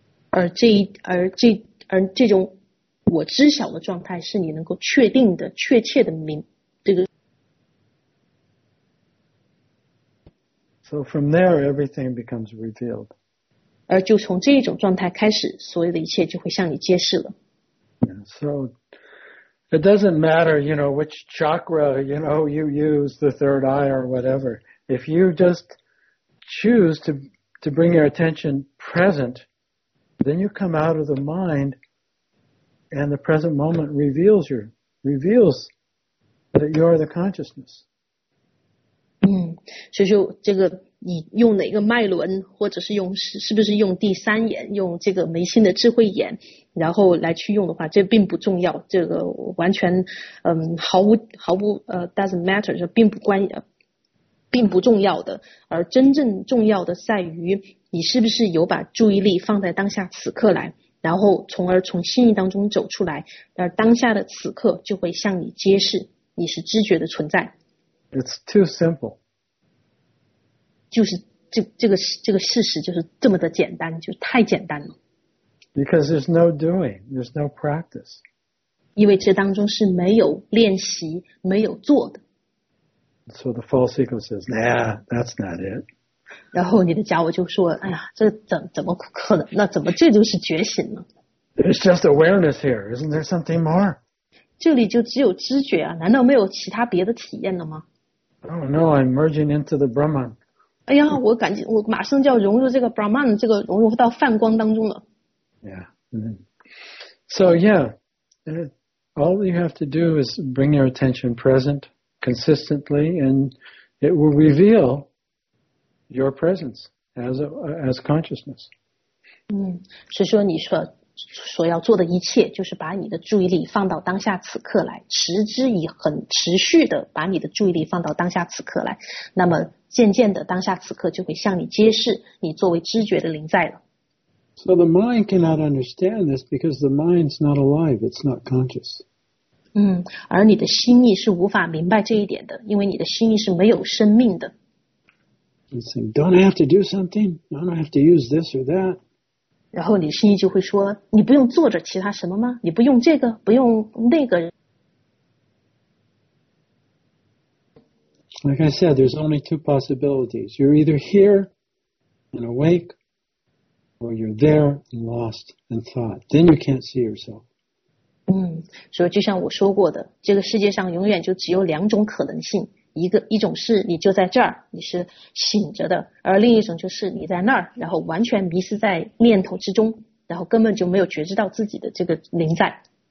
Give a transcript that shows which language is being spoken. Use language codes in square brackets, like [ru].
[zh] 而这种我知晓的状态，是你能够确定的、确切的明。 [en] So from there, everything becomes revealed. [zh] 而就从这一种状态开始，所有的一切就会向你揭示了。 [en] Yeah, so it doesn't matter, you know, which chakra, you know, you use, the third eye or whatever. If you just choose to bring your attention present, then you come out of the mind, and the present moment reveals that you are the consciousness. [zh] 所以就这个你用哪个脉轮，或者是用是不是用第三眼，用这个眉心的智慧眼，然后来去用的话，这并不重要，这个完全毫无 [en] doesn't matter， [zh] 就并不关并不重要的，而真正重要的在于你是不是有把注意力放在当下此刻来，然后从而从心意当中走出来，而当下的此刻就会向你揭示你是知觉的存在。 [en] It's too simple. [zh] 就是这个事实就是这么的简单，就是太简单了。 [en] Because there's no doing, there's no practice. [zh] 因为这当中是没有练习，没有做的。 [en] So the false ego says, "Nah, that's not it." [zh] 然后你的假我就说，哎呀，这怎么可能？那怎么这就是觉醒呢 [en] ？It's just awareness here. Isn't there something more? [zh] 这里就只有知觉啊？难道没有其他别的体验了吗 [en] ？Oh no, I'm merging into the Brahman. [zh] 哎呀，我感觉我马上就要融入这个 Brahman 这个融入到梵光当中了。 [en] Yeah. So yeah, all you have to do is bring your attention present consistently, and it will reveal your presence as consciousness. [zh] 嗯，是说你说。所要做的一切就是把你的注意力放到当下此刻来，持之以恒，持续的把你的注意力放到当下此刻来，那么渐渐的当下此刻就会向你揭示你作为知觉的灵在了。 [en] So the mind cannot understand this because the mind's not alive, it's not conscious. [zh] 嗯，而你的心意是无法明白这一点的，因为你的心意是没有生命的。 [en] You say, don't I have to do something? Don't I have to use this or that? [zh] 然后你心意就会说，你不用做着其他什么吗？你不用这个，不用那个。 [en] Like I said, there's only two possibilities. You're either here and awake, or you're there and lost in thought. Then you can't see yourself. [zh] 嗯，所以就像我说过的，这个世界上永远就只有两种可能性。一种是你就在这儿，你是醒着的，而另一种就是你在那儿，然后完全迷失在念头之中，然后根本就没有觉知到自己的这个灵在。